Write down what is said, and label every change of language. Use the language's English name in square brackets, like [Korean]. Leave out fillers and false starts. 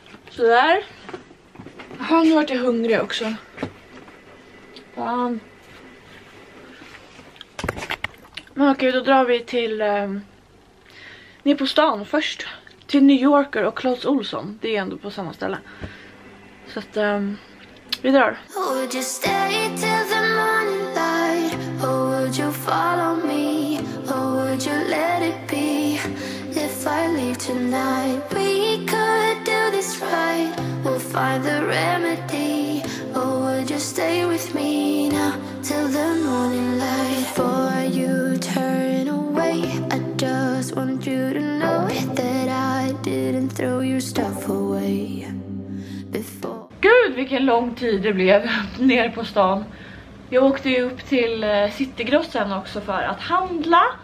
[Swedish] Sådär. Jaha, nu vart jag hungrig också. Fan. Men okej, då drar vi till... ner på stan först. Till New Yorker och Clas Ohlson. Det är ändå på samma ställe. Så att... Vi drar. [English] Would you stay till the morning light? Or would you follow me? Or would you let it be? If I leave tonight, we could do this right. We'll find the remedy. Or would you stay with me now? Till the morning light. Before you turn away, I just want you to know that I didn't throw your stuff away. [Swedish] Gud, vilken lång tid det blev ner på stan. Jag åkte ju upp till Citygrossen också för att handla.